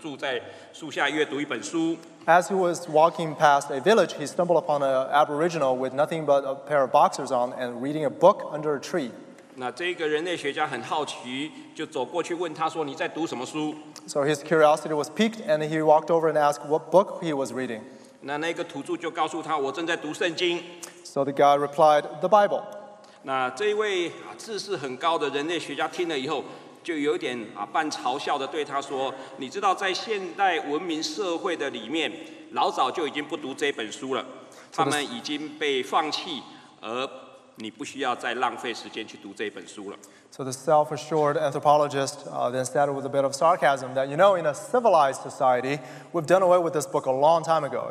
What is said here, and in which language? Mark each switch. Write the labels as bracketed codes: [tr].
[zh] 那在他研究的这个旅程当中，看到一个部落旁边有一个裸露的上身，只有穿了一条短裤的土著在树下阅读一本书。 [en] As he was walking past a village, he stumbled upon an Aboriginal with nothing but a pair of boxers on and reading a book under a tree. [zh] 那这个人类学家很好奇，就走过去问他说：“你在读什么书？” [en] So his curiosity was piqued, and he walked over and asked what book he was reading. [zh] 那个土著就告诉他，我正在读圣经。So [en] the guy replied, "The Bible." [zh] 那这位知识很高的人类学家听了以后，就有点半嘲笑的对他说：“你知道，在现代文明社会的里面，老早就已经不读这本书了。他们已经被放弃，而你不需要再浪费时间去读这本书了。” [en] So the self-assured anthropologist then said with a bit of sarcasm that, you know, in a civilized society, we've done away with this book a long time ago.